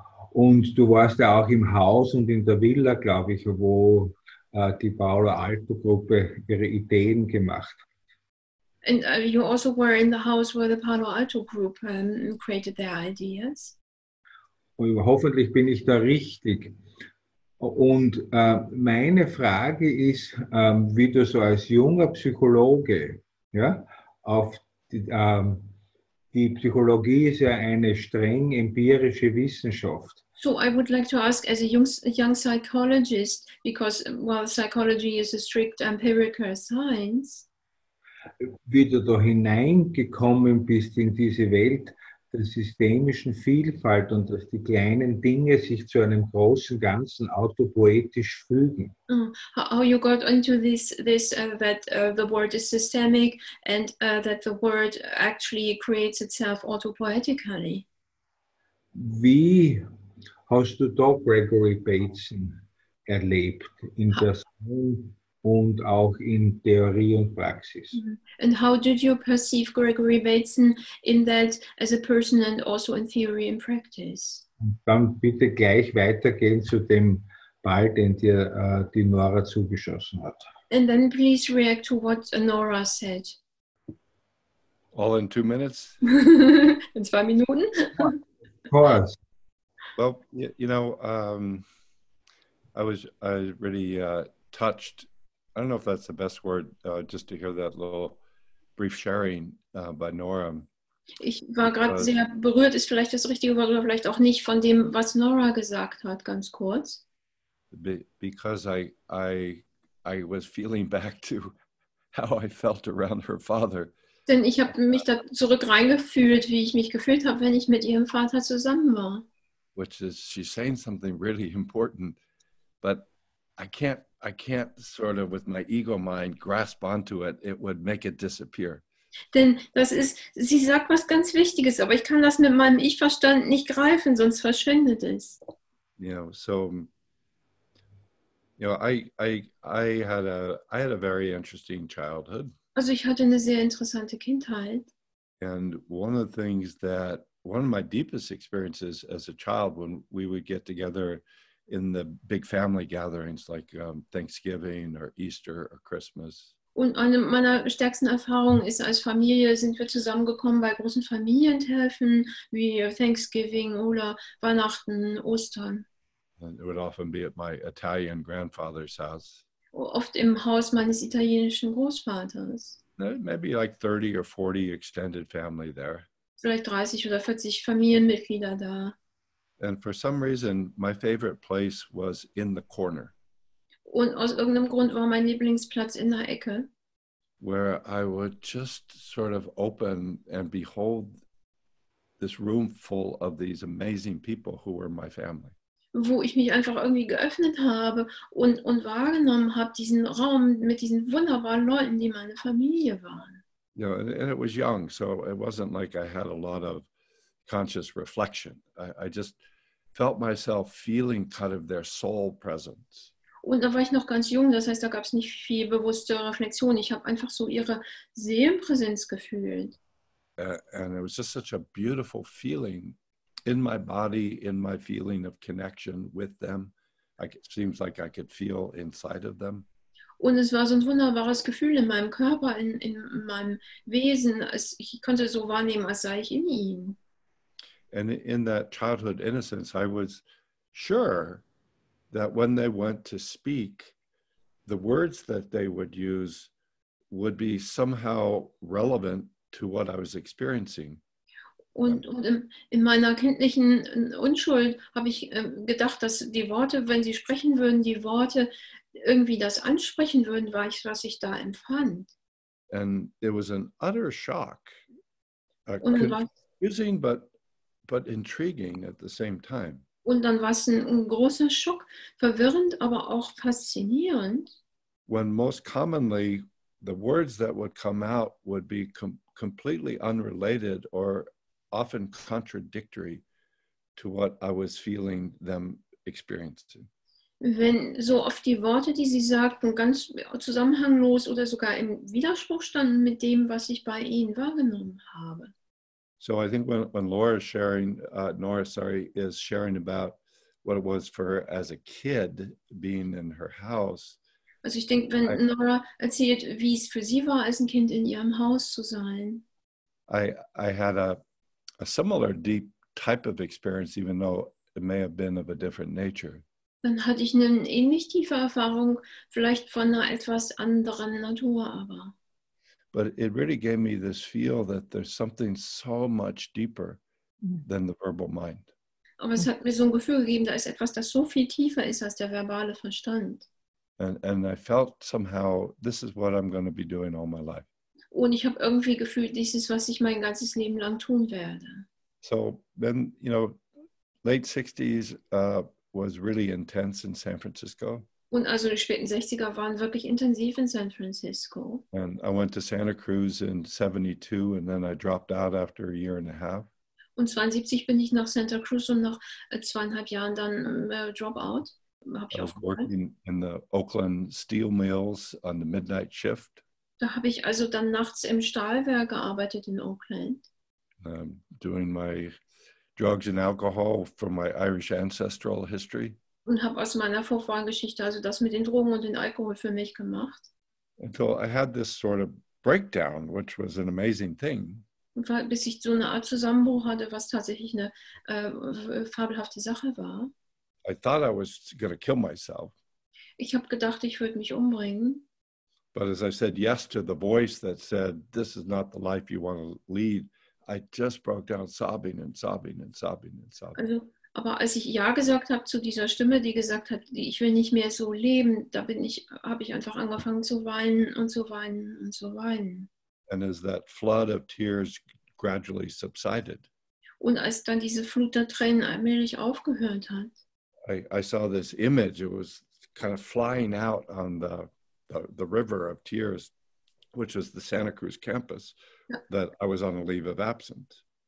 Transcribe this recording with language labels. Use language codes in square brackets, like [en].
[de] Und du warst ja auch im Haus und in der Villa, glaube ich, wo die Paula Alto-Gruppe ihre Ideen gemacht hat. [en] And you also were in the house where the Palo Alto Group created their ideas. [de] Und hoffentlich bin ich da richtig. Und meine Frage ist, wie du so als junger Psychologe, ja, auf die Psychologie ist ja eine streng empirische Wissenschaft. [en] So I would like to ask as a young psychologist, because well, psychology is a strict empirical science. [de] Wie du da hineingekommen bist in diese Welt der systemischen Vielfalt und dass die kleinen Dinge sich zu einem großen Ganzen autopoetisch fügen. [en] How you got into this that the word is systemic and that the word actually creates itself autopoetically? [de] Wie hast du da Gregory Bateson erlebt in der Sammlung und auch in Theorie und Praxis? [en] And how did you perceive Gregory Bateson in that as a person and also in theory and practice? [de] Und dann bitte gleich weitergehen zu dem Ball, den dir die Nora zugeschossen hat. [en] And then please react to what Nora said. All in 2 minutes? [de] In 2 Minuten? [en] Of course. Well, you know, I was really touched. I don't know if that's the best word, just to hear that little brief sharing by Nora. [de] Ich war gerade sehr berührt, ist vielleicht das richtige Wort, oder vielleicht auch nicht, von dem, was Nora gesagt hat, ganz kurz. [en] Because I was feeling back to how I felt around her father. [de] Denn ich habe mich da zurück reingefühlt, wie ich mich gefühlt habe, wenn ich mit ihrem Vater zusammen war. [en] Which is, she's saying something really important, but I can't sort of with my ego mind grasp onto it. It would make it disappear. [de] Denn das ist, sie sagt was ganz Wichtiges, aber ich kann das mit meinem Ich-Verstand nicht greifen, sonst verschwindet es. [en] You know, so, you know, I had a very interesting childhood. [de] Also ich hatte eine sehr interessante Kindheit. [en] And one of the things that one of my deepest experiences as a child, when we would get together in the big family gatherings like Thanksgiving or Easter or Christmas. [de] Und eine meiner stärksten Erfahrungen ist, als Familie sind wir zusammengekommen bei großen Familientreffen wie Thanksgiving oder Weihnachten, Ostern. [en] And it would often be at my Italian grandfather's house. [de] Oft im Haus meines italienischen Großvaters. [en] Maybe like 30 or 40 extended family there. [de] Vielleicht 30 oder 40 Familienmitglieder da. [en] And for some reason, my favorite place was in the corner. [de] Und aus irgendeinem Grund war mein Lieblingsplatz in der Ecke. [en] Where I would just sort of open and behold this room full of these amazing people who were my family. [de] Wo ich mich einfach irgendwie geöffnet habe und wahrgenommen habe, diesen Raum mit diesen wunderbaren Leuten, die meine Familie waren. [en] You know, and it was young, so it wasn't like I had a lot of conscious reflection. I just felt myself feeling kind of their soul presence. [de] Und da war ich noch ganz jung, das heißt, da gab es nicht viel bewusste Reflexion. Ich habe einfach so ihre Seelenpräsenz gefühlt. [en] And it was just such a beautiful feeling in my body, in my feeling of connection with them. It seems like I could feel inside of them. [de] Und es war so ein wunderbares Gefühl in meinem Körper, in meinem Wesen. Ich konnte so wahrnehmen, als sei ich in ihm. [en] And in that childhood innocence, I was sure that when they went to speak, the words that they would use would be somehow relevant to what I was experiencing. [de] Und in meiner kindlichen Unschuld habe ich gedacht, dass die Worte, wenn sie sprechen würden, die Worte irgendwie das ansprechen würden, was ich da empfand. [en] And it was an utter shock. Confusing, but intriguing at the same time. [de] Und dann war es ein großer Schock, verwirrend, aber auch faszinierend. [en] When most commonly the words that would come out would be completely unrelated or often contradictory to what I was feeling them experiencing. [de] Wenn so oft die Worte, die sie sagten, ganz zusammenhanglos oder sogar im Widerspruch standen mit dem, was ich bei ihnen wahrgenommen habe. [en] So I think when Nora is sharing about what it was for her as a kid being in her house. [de] Also ich denke, wenn Nora erzählt, wie es für sie war, als ein Kind in ihrem Haus zu sein. [en] I had a similar deep type of experience, even though it may have been of a different nature. [de] Dann hatte ich eine ähnlich tiefe Erfahrung, vielleicht von einer etwas anderen Natur, aber. [en] But it really gave me this feel that there's something so much deeper than the verbal mind. [de] Aber es hat mir so ein Gefühl gegeben, da ist etwas, das so viel tiefer ist als der verbale Verstand. [en] And I felt somehow, this is what I'm going to be doing all my life. [de] Und ich habe irgendwie gefühlt, dies ist, was ich mein ganzes Leben lang tun werde. [en] So then, you know, late 60s was really intense in San Francisco. [de] Und also die späten 60er waren wirklich intensiv in San Francisco. [en] And I went to Santa Cruz in 72 and then I dropped out after a year and a half. [de] Und 72 bin ich nach Santa Cruz und nach 2,5 Jahren dann Dropout. [en] I was working in the Oakland steel mills on the midnight shift. [de] Da habe ich also dann nachts im Stahlwerk gearbeitet in Oakland. [en] Doing my drugs and alcohol from my Irish ancestral history. [de] Und habe aus meiner Vorfahrengeschichte also das mit den Drogen und den Alkohol für mich gemacht. [en] Until I had this sort of breakdown, which was an amazing thing. [de] Und bis ich so eine Art Zusammenbruch hatte, was tatsächlich eine fabelhafte Sache war. [en] I thought I was going to kill myself. [de] Ich habe gedacht, ich würde mich umbringen. [en] But as I said yes to the voice that said, this is not the life you want to lead, I just broke down sobbing and sobbing and sobbing and sobbing. [de] Also, aber als ich ja gesagt habe zu dieser Stimme, die gesagt hat, ich will nicht mehr so leben, da habe ich einfach angefangen zu weinen und zu weinen und zu weinen. [en] And as that flood of tears gradually subsided. [de] Und als dann diese Flut der Tränen allmählich aufgehört hat. [en] I saw this image, it was kind of flying out on the river of tears, which was the Santa Cruz campus, that I was on a leave of absence.